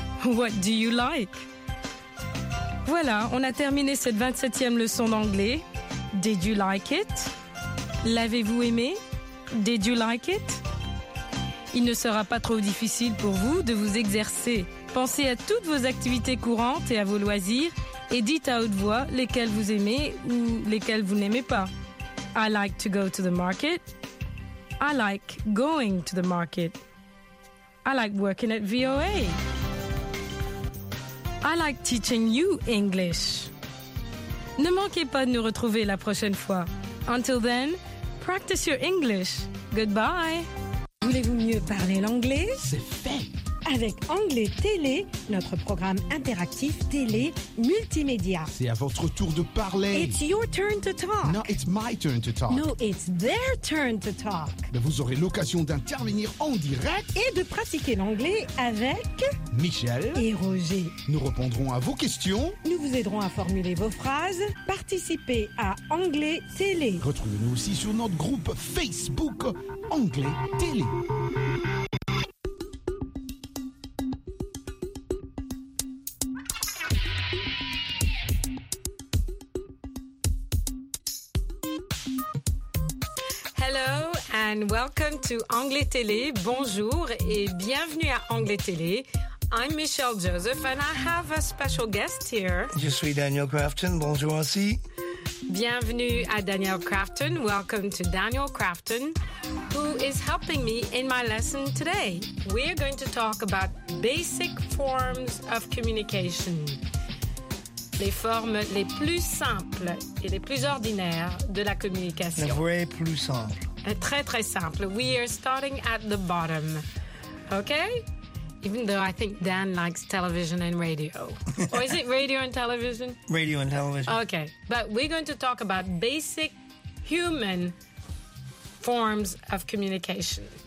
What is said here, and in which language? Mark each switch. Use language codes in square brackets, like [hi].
[en] What do you like? [fr] Voilà, on a terminé cette 27e leçon d'anglais. [en] Did you like it? [fr] L'avez-vous aimé? [en] Did you like it? [fr] Il ne sera pas trop difficile pour vous de vous exercer. Pensez à toutes vos activités courantes et à vos loisirs et dites à haute voix lesquelles vous aimez ou lesquelles vous n'aimez pas. [en] I like to go to the market. I like going to the market. I like working at VOA. I like teaching you English. [fr] Ne manquez pas de nous retrouver la prochaine fois. [en] Until then, practice your English. Goodbye. [fr] Voulez-vous mieux parler l'anglais? C'est fait! Avec Anglais Télé, notre programme interactif télé multimédia. C'est à votre tour de parler. [en] It's your turn to talk. No, it's my turn to talk. No, it's their turn to talk. [fr] Mais vous aurez l'occasion d'intervenir en direct et de pratiquer l'anglais avec Michel et Roger. Nous répondrons à vos questions. Nous vous aiderons à formuler vos phrases. Participez à Anglais Télé. Retrouvez-nous aussi sur notre groupe Facebook Anglais Télé. [en] And welcome to Anglais Télé. [fr] Bonjour et bienvenue à Anglais Télé. [en] I'm Michelle Joseph and I have a special guest here. [fr] Je suis Daniel Crafton. Bonjour aussi. Bienvenue à Daniel Crafton. [en] Welcome to Daniel Crafton, who is helping me in my lesson today. We are going to talk about basic forms of communication. [fr] Les formes les plus simples et les plus ordinaires de la communication. Les vraies plus simples. Très, très simple. [en] We are starting at the bottom. Okay? Even though I think Dan likes television and radio. Or is it radio and television? Radio and television. Okay. But we're going to talk about basic human forms of communication.